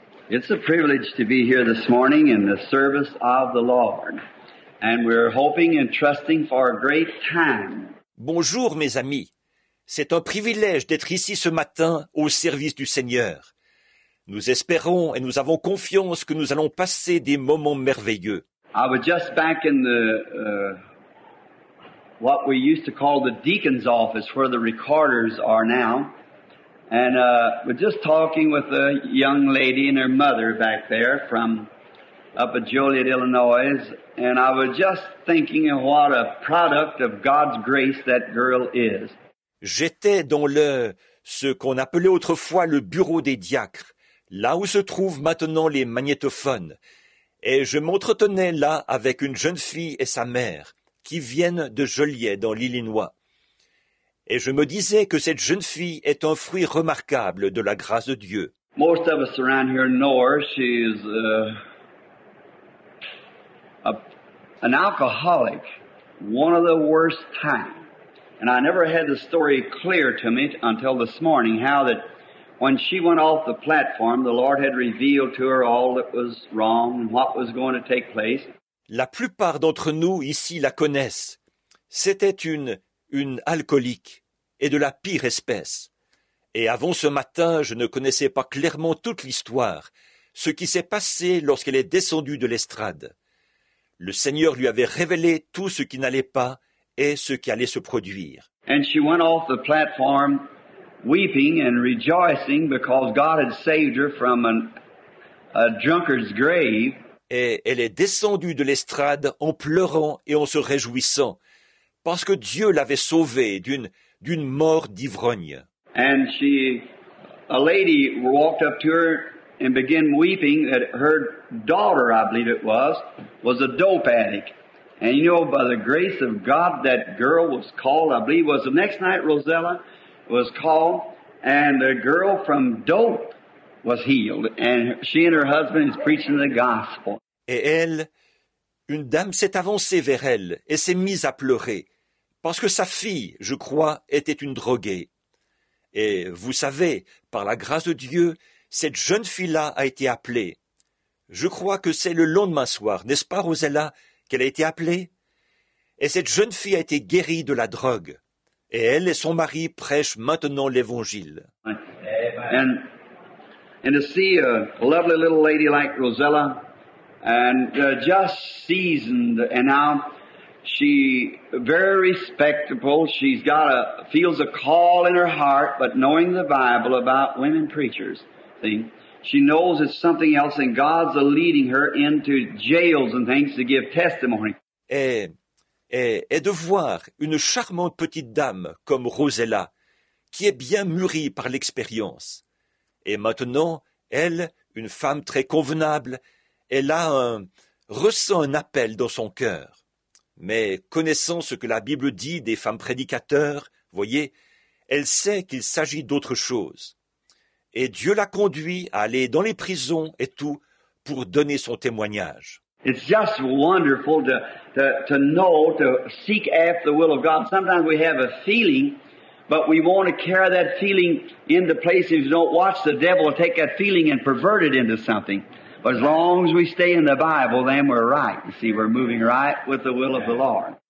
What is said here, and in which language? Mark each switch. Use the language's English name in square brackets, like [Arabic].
[English] It's a privilege to be here this morning in the service of the Lord, and we're hoping and trusting for a great time. [French] Bonjour, mes amis. C'est un privilège d'être ici ce matin au service du Seigneur. Nous espérons et nous avons confiance que nous allons passer des moments merveilleux. [English] I was just back in the what we used to call the deacon's office, where the recorders are now. And we're just talking with a young lady and her mother back there from up at Joliet, Illinois, and I was just thinking of what a product of God's grace that girl is. [French] J'étais dans ce qu'on appelait autrefois le bureau des diacres, là où se trouvent maintenant les magnétophones, et je m'entretenais là avec une jeune fille et sa mère qui viennent de Joliet dans l'Illinois. Et je me disais que cette jeune fille est un fruit remarquable de la grâce de Dieu. [English] Most of us around here know her. She's an alcoholic, one of the worst kind. And I never had the story clear to me until this morning, how that when she went off the platform, the Lord had revealed to her all that was wrong and what was going to take place. [French] La plupart d'entre nous ici la connaissent. C'était une alcoolique et de la pire espèce. Et avant ce matin, je ne connaissais pas clairement toute l'histoire, ce qui s'est passé lorsqu'elle est descendue de l'estrade. Le Seigneur lui avait révélé tout ce qui n'allait pas et ce qui allait se produire. [English] And she went off the platform weeping and rejoicing because God had saved her from a drunkard's grave. [French] Et elle est descendue de l'estrade en pleurant et en se réjouissant, parce que Dieu l'avait sauvée d'une mort d'ivrogne. [English] And she, a lady walked up to her and began weeping that her daughter, I believe it was a dope addict. And you know, by the grace of God, that girl was called, I believe it was the next night, Rosella was called, and the girl from dope was healed. And she and her husband is preaching the gospel. [French] Et elle, une dame s'est avancée vers elle et s'est mise à pleurer, parce que sa fille, je crois, était une droguée. Et vous savez, par la grâce de Dieu, cette jeune fille-là a été appelée. Je crois que c'est le lendemain soir, n'est-ce pas, Rosella, qu'elle a été appelée? Et cette jeune fille a été guérie de la drogue. Et elle et son mari prêchent maintenant l'Évangile. [English] And to see a lovely little lady like Rosella, and just seasoned and out, she very respectable. She's got feels a call in her heart, but knowing the Bible about women preachers, see, she knows it's something else, and God's leading her into jails and things to give testimony. [French] Et de voir une charmante petite dame comme Rosella, qui est bien mûrie par l'expérience, et maintenant elle, une femme très convenable, elle ressent un appel dans son cœur. Mais connaissant ce que la Bible dit des femmes prédicateurs, voyez, elle sait qu'il s'agit d'autre chose. Et Dieu la conduit à aller dans les prisons et tout pour donner son témoignage. [English] It's just wonderful to know, to seek after the will of God. Sometimes we have a feeling, but we want to carry that feeling into place. If you don't watch, the devil will take that feeling and pervert it into something. But as long as we stay in the Bible, then we're right. You see, we're moving right with the will of the Lord.